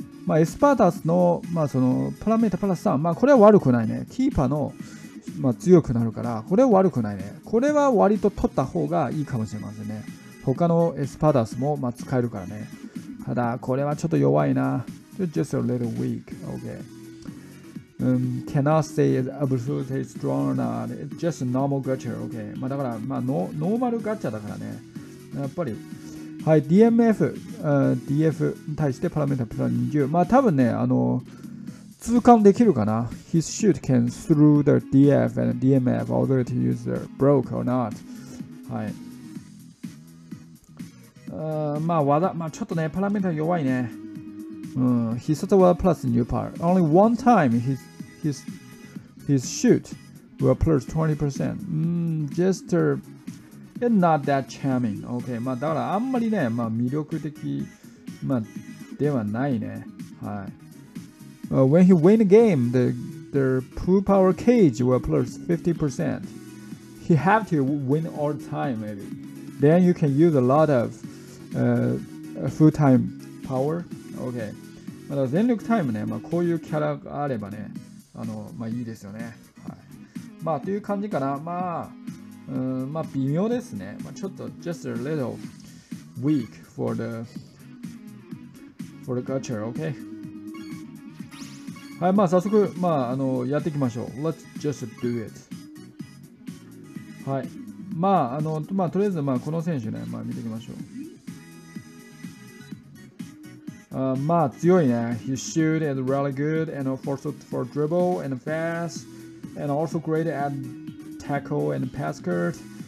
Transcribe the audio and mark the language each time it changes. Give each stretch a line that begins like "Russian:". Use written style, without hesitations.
Japanese: まあ、エスパータスの、まあ、その、パラメータプラス3。まあ、これは悪くないね。キーパーの、まあ、強くなるから、これは悪くないね。これは割と取った方がいいかもしれませんね。他のエスパダスも、まあ、使えるからね。ただ、これはちょっと弱いな。
English: Just a little weak. Okay.、cannot say it's absolutely strong or not. It's just a normal gacha. Okay.
Japanese: まあ、だから、まあ、ノーマルガチャだからね。やっぱり。はい。 DMF、DF に対してパラメータプラス20。まあ、多分ね、通貫できるかな。
English: His shoot can through the DF and DMF authority user broke or not.
Japanese: はい。まあ技、まあちょっとね、パラメータ弱いね。必殺技プラスニューパー。
English: Only one time his shoot will plus 20%. Jester is not that charming.
Japanese: Okay, まあだからあんまりね、まあ魅力的、まあ、ではないね。はい。
English: When he win the game, the pool power cage will plus 50%. He have to win all the time, maybe. Then you can use a lot ofFull time power?
Japanese: Okay. まだ全力タイムね。まあ、こういうキャラがあればね。まあ、いいですよね。はい。まあ、という感じかな。まあ、まあ、微妙ですね。まあ、ちょっと、
English: just a little weak for the gacha, okay?
Japanese: はい。まあ、早速、まあ、やっていきましょう。
English: Let's just do it. はい。
Japanese: まあ、まあ、とりあえず、まあ、この選手ね、まあ、見ていきましょう。まあ強いね。
English: He shoot is really good and also for dribble and fast and also great at tackle and pass cut.